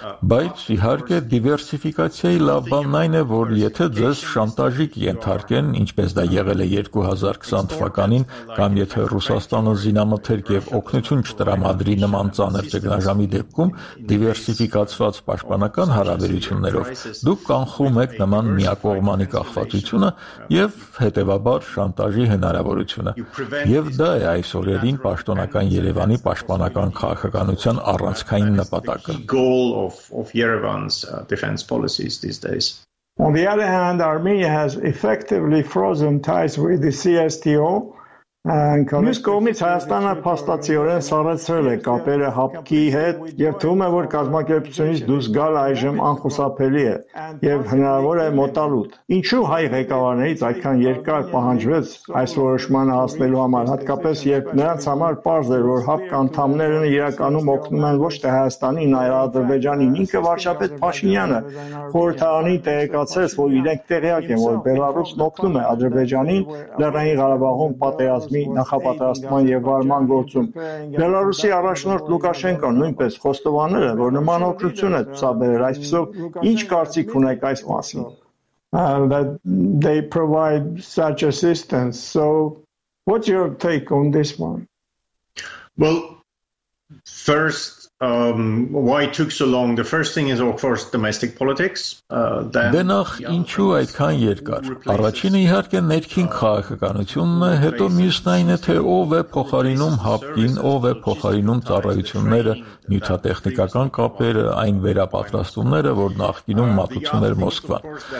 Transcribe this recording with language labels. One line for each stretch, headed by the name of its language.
Armenian: բայց իհարկե դիվերսիֆիկացիայի լավ բանն այն է, որ եթե ձեզ շանտաժիկ ենթարկեն, ինչպես դա եղել է 2020 թվականին, կամ եթե Ռուսաստանը զինամթերք եւ օգնություն չտրամադրի նման ծանր ճգնաժամի դեպքում դիվերսիֆիկացված պաշտպանական հարաբերություններով, դուք կանխում եք նման միակողմանի կախվածությունը եւ հետեւաբար շանտաժի հնարավորությունը։ Եվ դա է այսօրերին պաշտոնական Երևանի պաշտպանական քաղաքականության առանցքային նպատակը։
English: Goal of Yerevan's defense policies these days. On the other hand, Armenia has effectively frozen ties with the CSTO.
Armenian: Մյուս կողմից Հայաստանը փաստացիորեն սառեցրել է կապերը ՀԱՊԿ-ի հետ և թվում է, որ կազմակերպությունից դուրս գալ այժմ անխուսափելի է և հնարավոր է մոտալուտ։ Ինչու հայ ղեկավարներից այդքան երկար պահանջվեց այս որոշմանը հասնելու համար, հատկապես երբ նրանց համար պարզ էր, որ ՀԱՊԿ անդամներն իրականում օգնում են ոչ թե Հայաստանին, այլ Ադրբեջանին։ Ինքը վարչապետ Փաշինյանը խորհրդարանին տեղեկացրեց, որ իրենք տեղյակ են, որ Բելարուսն օգնում է Ադրբեջանին Լեռնային Ղարաբաղում պատերազմի նախապատրաստման եւ վարման գործում։ Բելարուսի առաջնորդ Լուկաշենկոն նույնպես խոստովանել է, որ նման օկրություն է ցուցաբերել։ Այսպիսով, ինչ կարծիք ունեք այս մասին?
English: They provide such assistance. So, what's your take on this one? Well, first, why took so long? The first thing is, of course, domestic politics.
Armenian: Դենախ ինչու այդքան երկար? Առաջինը իհարկե ներքին քաղաքականությունն է, հետո մյուսն այն է, թե ով է փոխարինում ՀԱՊԿ-ին, ով է փոխարինում ծառայությունները, նյութատեխնիկական կապերը, այն վերապատրաստումները, որ նախկինում մատուցում էր Մոսկվան։